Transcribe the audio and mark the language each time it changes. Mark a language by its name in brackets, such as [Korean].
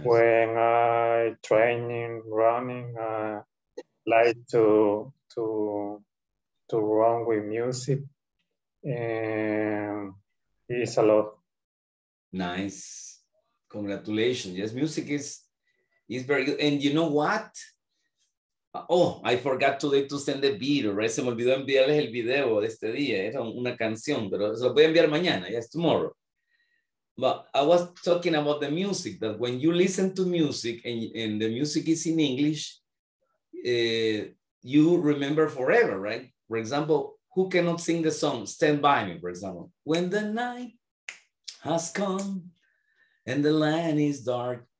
[English] When I training, running, like to run with music, and it's a lot. Nice, congratulations. Yes, music is very good. And you know what? Oh, I forgot today to send the video, right? [Spanish] Se me olvidó enviarles el video de este día. Era una canción, pero se lo voy a enviar mañana. [English] Yes, tomorrow. But I was talking about the music, that when you listen to music and the music is in English, you remember forever, right? For example, who cannot sing the song Stand By Me, for example? When the night has come and the land is dark.